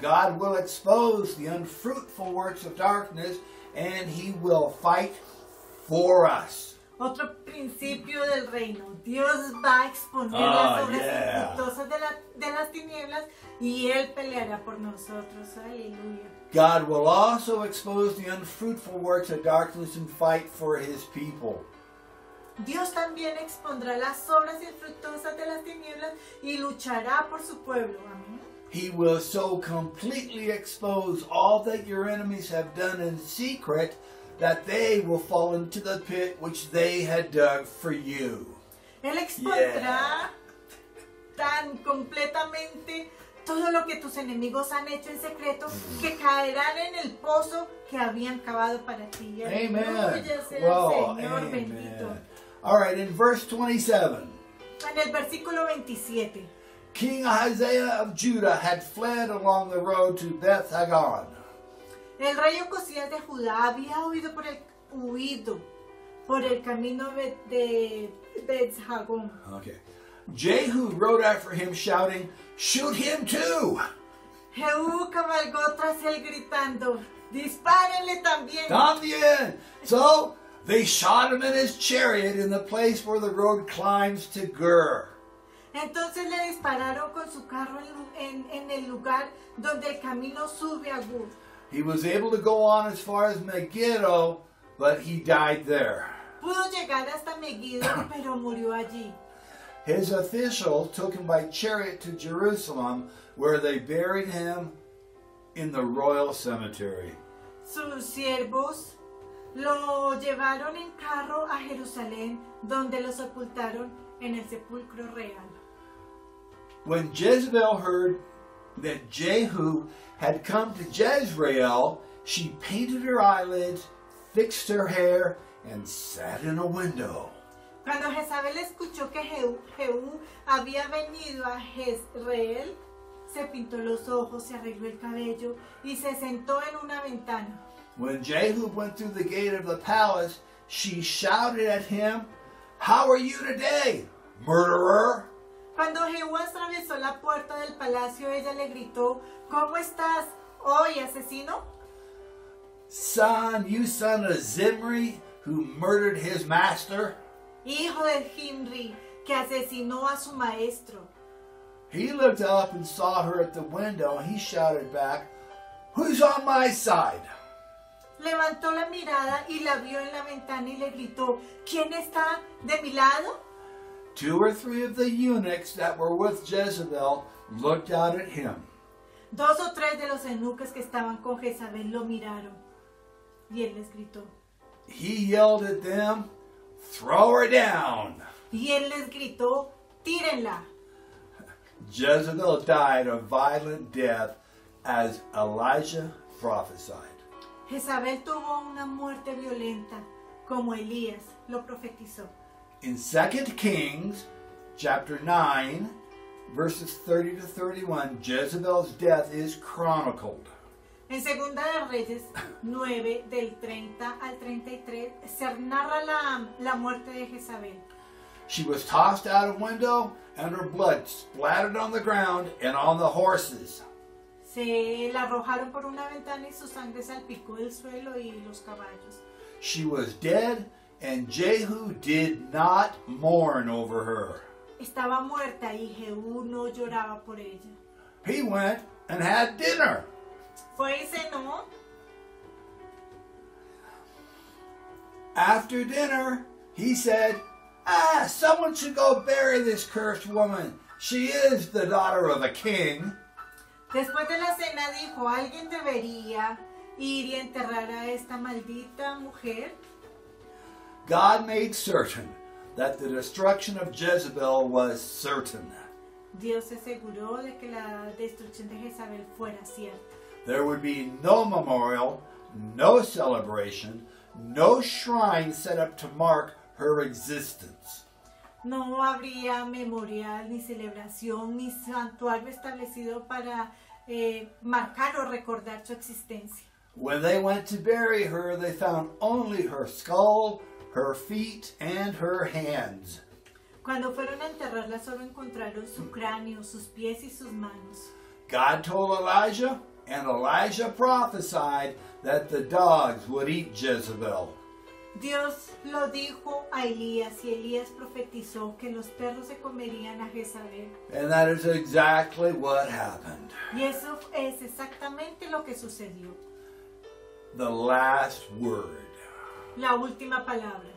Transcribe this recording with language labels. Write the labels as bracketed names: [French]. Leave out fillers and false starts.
[English] God will expose the unfruitful works of darkness and he will fight for us. [Spanish] Otro principio del reino. Dios va a exponer las obras infructuosas de las tinieblas y Él peleará por nosotros. Aleluya. [English] God will also expose the unfruitful works of darkness and fight for His people. [Spanish] Dios también expondrá las obras infructuosas de las tinieblas y luchará por su pueblo. Amén. [English] He will so completely expose all that your enemies have done in secret that they will fall into the pit which they had dug for you. [Spanish] Él expondrá tan completamente todo lo que tus enemigos han hecho en secreto que caerán en el pozo que habían cavado para ti. [English] Amen. [Spanish] Well, Señor, amen. Bendito. [English] All right, in verse 27. [Spanish] En el versículo 27. [English] King Ahaziah of Judah had fled along the road to Beth Hagan. [Spanish] El rey Ocosías de Judá había huido por el camino de Beth Hagón. [English] Okay. Jehu rode after him, shouting, "Shoot him too!" [Spanish] Jehu cabalgó tras él gritando, "Dispárenle también!" También. [English] So they shot him in his chariot in the place where the road climbs to Gur. [Spanish] Entonces le dispararon con su carro en el lugar donde el camino sube a Gur. [English] He was able to go on as far as Megiddo, but he died there. [Spanish] Pudo llegar hasta Megiddo, pero murió allí. [English] His officials took him by chariot to Jerusalem, where they buried him in the royal cemetery. [Spanish] Sus siervos lo llevaron en carro a Jerusalén, donde lo sepultaron en el sepulcro real. [English] When Jezebel heard that Jehu had come to Jezreel, she painted her eyelids, fixed her hair, and sat in a window. [Spanish] Cuando Jezabel escuchó que Jehu había venido a Jezreel, se pintó los ojos, se arregló el cabello, y se sentó en una ventana. [English] When Jehu went through the gate of the palace, she shouted at him, "How are you today, murderer?" [Spanish] Cuando Jehu atravesó la puerta del palacio, ella le gritó, "¿Cómo estás hoy, asesino?" [English] "Son, you son of Zimri, who murdered his master." [Spanish] Hijo de Zimri, que asesinó a su maestro. [English] He looked up and saw her at the window, and he shouted back, "Who's on my side?" [Spanish] Levantó la mirada y la vio en la ventana y le gritó, "¿Quién está de mi lado?" [English] Two or three of the eunuchs that were with Jezebel looked out at him. [Spanish] Dos o tres de los eunucos que estaban con Jezabel lo miraron. Y él les gritó. [English] He yelled at them, "Throw her down." [Spanish] Y él les gritó, "Tírenla." [English] Jezebel died a violent death as Elijah prophesied. [Spanish] Jezabel tuvo una muerte violenta como Elías lo profetizó. [English] In 2 Kings chapter 9, verses 30 to 31, Jezebel's death is chronicled. [Spanish] En Segunda de Reyes 9, del 30 al 33, se narra la muerte de Jezabel. [English] She was tossed out a window and her blood splattered on the ground and on the horses. [Spanish] Se la arrojaron por una ventana y su sangre salpicó el suelo y los caballos. [English] She was dead. And Jehu did not mourn over her. [Spanish] Estaba muerta y Jehu no lloraba por ella. [English] He went and had dinner. [Spanish] Fue y cenó. [English] After dinner, he said, someone should go bury this cursed woman. She is the daughter of a king. [Spanish] Después de la cena dijo, alguien debería ir y enterrar a esta maldita mujer. [English] God made certain that the destruction of Jezebel was certain. [Spanish] Dios se aseguró de que la destrucción de Jezabel fuera cierta. [English] There would be no memorial, no celebration, no shrine set up to mark her existence. [Spanish] No habría memorial, ni celebración, ni santuario establecido para marcar o recordar su existencia. [English] When they went to bury her, they found only her skull, her feet and her hands. [Spanish] Cuando fueron a enterrarla, solo encontraron su cráneo, sus pies y sus manos. [English] God told Elijah, and Elijah prophesied that the dogs would eat Jezebel. [Spanish] Dios lo dijo a Elías, y Elías profetizó que los perros se comerían a Jezabel. [English] And that is exactly what happened. [Spanish] Y eso es exactamente lo que sucedió. [English] The last word. [Spanish] La última palabra.